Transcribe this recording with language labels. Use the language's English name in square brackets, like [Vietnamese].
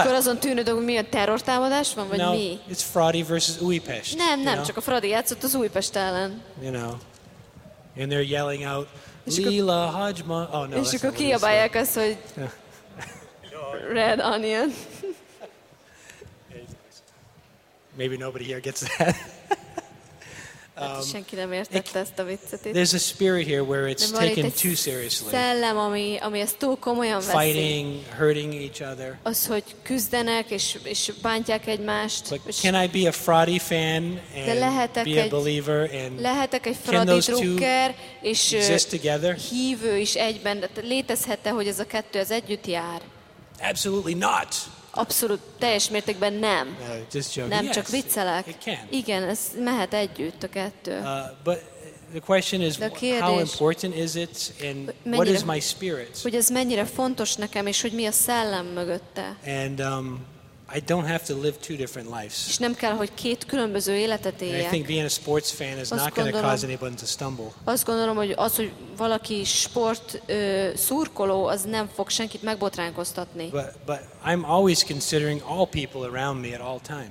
[Hungarian] És akkor azon tűnődök, hogy mi a terrortámadás van, vagy no, mi? [English] It's Frati versus Újpest. [Hungarian] Nem, know? Csak a Fradi játszott az Újpest ellen. [English] You know, and they're yelling out, [Hungarian] Lila Hajma. [English] Oh no. [Hungarian] És akkor kiabálják azt, hogy [English] Red Onion. Maybe nobody here gets that. [Hungarian] Senki nem értette ezt a viccet. [English] There's a spirit here where it's taken too seriously. [Hungarian] Szellem, ami ezt túl komolyan veszi. [English] Fighting, hurting each other. [Hungarian] Az, hogy küzdenek és bántják egymást. [English] Can I be a Frati fan and be a believer and [Hungarian] lehetek egy Frati drukker és [English] exist together? [Hungarian] Hívő is egyben, létezhet-e, hogy ez a kettő az együtt jár? [English] Absolutely not. [Hungarian] Abszolút, teljes mértékben nem. Nem, [English] yes, [Hungarian] csak viccelek. Igen, ez mehet együtt a kettő. [English] But the question is, [Hungarian] kérdés, [English] how important is it and [Hungarian] mennyire, [English] what is my spirit? [Hungarian] Hogy ez mennyire fontos nekem, és hogy mi a szellem mögötte. [English] And I don't have to live two different lives. [Hungarian] És nem kell, hogy két különböző életet éljek. [English] I think being a sports fan is not going to cause anyone to stumble. [Hungarian] Azt gondolom, hogy az, hogy valaki sport szurkoló, az nem fog senkit megbotránkoztatni. [English] But I'm always considering all people around me at all times.